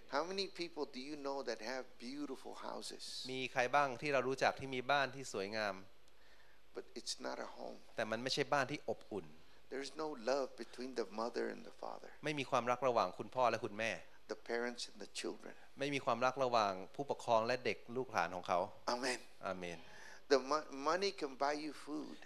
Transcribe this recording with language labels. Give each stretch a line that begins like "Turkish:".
English: How many people do you know that have beautiful houses?
Thai: มีใครบ้างที่เรารู้จักที่มีบ้านที่สวยงาม
English: But it's not a home.
Thai: แต่มันไม่ใช่บ้านที่อบอุ่น
English: There's no love between the mother and the father.
Thai: ไม่มีความรักระหว่างคุณพ่อและคุณแม่
English: The parents and the children.
Thai: ไม่มีความรักระหว่างผู้ปกครองและเด็กลูกหลานของเขา
English: Amen. Amen. The money can buy you food.